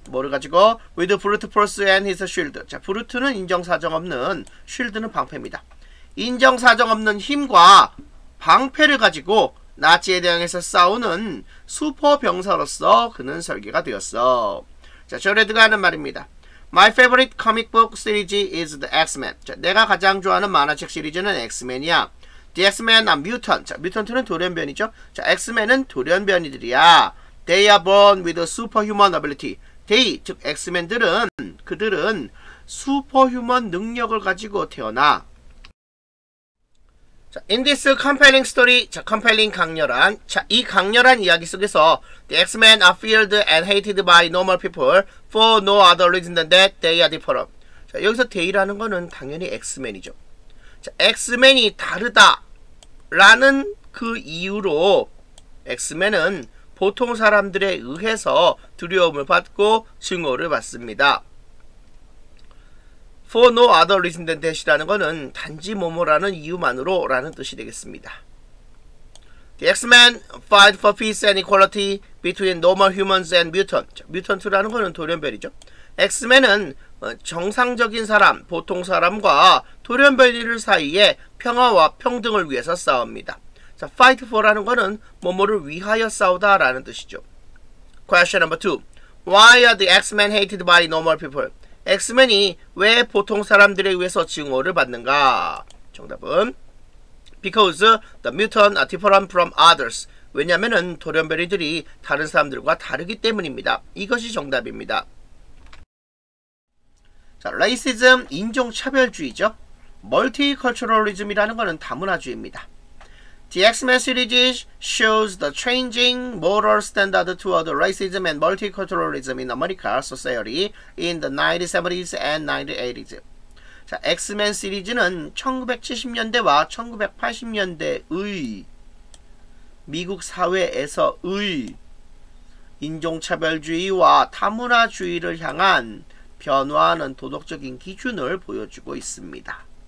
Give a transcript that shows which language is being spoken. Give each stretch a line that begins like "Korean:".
Korean: 뭐를 가지고?
English: With brute force and his shield.
Korean: 자, 브루트는 인정사정 없는, 쉴드는 방패입니다. 인정사정 없는 힘과 방패를 가지고 나치에 대항해서 싸우는 슈퍼 병사로서 그는 설계가 되었어. 자, 저레드가 하는 말입니다.
English: My favorite comic book series is the X-Men.
Korean: 자, 내가 가장 좋아하는 만화책 시리즈는 X-Men이야.
English: The X-Men are mutants.
Korean: 자, mutant는 돌연변이죠. 자, X-Men은 돌연변이들이야.
English: They are born with a superhuman ability. They,
Korean: 즉 X-Men들은 그들은 슈퍼휴먼 능력을 가지고 태어나.
English: In this compelling story, 자, compelling
Korean: 강렬한, 자, 이 강렬한 이야기 속에서
English: The X-Men are feared and hated by normal people for no other reason than that they are different.
Korean: 자, 여기서 they라는 거는 당연히 X-Men이죠. 자, X-Men이 다르다라는 그 이유로 X-Men은 보통 사람들에 의해서 두려움을 받고 증오를 받습니다.
English: For no other reason than that
Korean: 이라는 것은 단지 뭐뭐라는 이유만으로 라는 뜻이 되겠습니다.
English: The X-Men fight for peace and equality between normal humans and mutants.
Korean: Mutant라는 것은 돌연변이죠. X-Men은 정상적인 사람, 보통 사람과 돌연변이들 사이에 평화와 평등을 위해서 싸웁니다. 자, fight for라는 것은 뭐뭐를 위하여 싸우다라는 뜻이죠.
English: Question number two. Why are the X-Men hated by normal people?
Korean: 엑스맨이 왜 보통 사람들에 의해서 증오를 받는가? 정답은
English: Because the mutants are different from others.
Korean: 왜냐면은 돌연변이들이 다른 사람들과 다르기 때문입니다. 이것이 정답입니다. 자, racism, 인종차별주의죠. Multiculturalism이라는 것은 다문화주의입니다.
English: The X-Men series shows the changing moral standard toward racism and multiculturalism in American society in the 1970s and 1980s.
Korean: 자, X-Men 시리즈는 1970년대와 1980년대의 미국 사회에서의 인종차별주의와 다문화주의를 향한 변화하는 도덕적인 기준을 보여주고 있습니다.